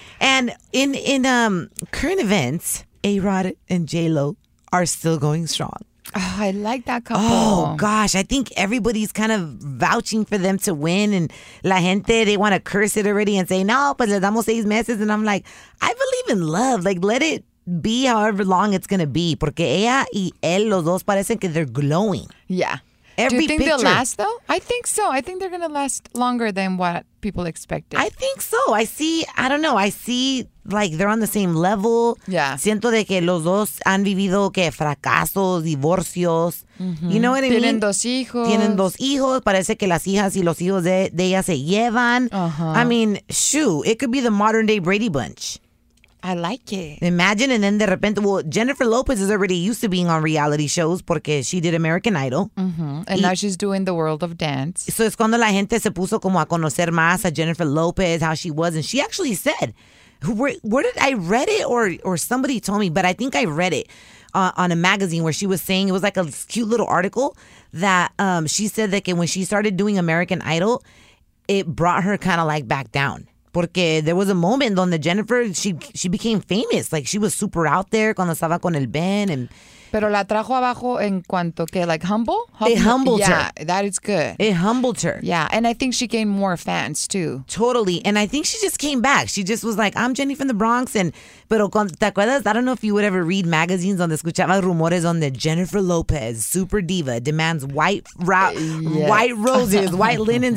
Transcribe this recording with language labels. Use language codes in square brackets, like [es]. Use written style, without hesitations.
[en] And in current events, A-Rod and J-Lo are still going strong. Oh, I like that couple. Oh, gosh. I think everybody's kind of vouching for them to win. And [es] la gente, [en] they want to curse it already and say, [es] no, pues les damos 6 meses. [en] And I'm like, I believe in love. Like, let it be however long it's going to be. [es] Porque ella y él, los dos parecen que [en] they're glowing. Yeah. Every Do you think picture. They'll last, though? I think so. I think they're going to last longer than what people expected. I think so. I see, like, they're on the same level. Yeah. [es] Siento de que los dos han vivido, que fracasos, divorcios. Mm-hmm. [en] You know what I [es] Tienen [en] mean? [es] Tienen dos hijos. Tienen dos hijos. Parece que las hijas y los hijos de ella se llevan. Uh-huh. [en] I mean, shoot, it could be the modern day Brady Bunch. I like it. Imagine, and then [es] de repente, [en] well, Jennifer Lopez is already used to being on reality shows porque she did American Idol. Mm-hmm. And now she's doing The World of Dance. [es] So es cuando la gente se puso como a conocer más a Jennifer Lopez, [en] how she was. And she actually said, where did I read it or somebody told me, but I think I read it on a magazine where she was saying, it was like a cute little article that she said that when she started doing American Idol, it brought her kind of like back down. Porque there was a moment donde Jennifer, she became famous. Like, she was super out there [es] cuando estaba con el Ben. [en] And [es] pero la trajo abajo en cuanto que, [en] like, humble? It humbled yeah, her. Yeah, that is good. It humbled her. Yeah, and I think she gained more fans, too. Totally. And I think she just came back. She just was like, I'm Jenny from the Bronx. And [es] pero cuando, ¿te acuerdas? [en] I don't know if you would ever read magazines [es] donde escuchaba rumores donde [en] Jennifer Lopez, super diva, demands white roses, white linens.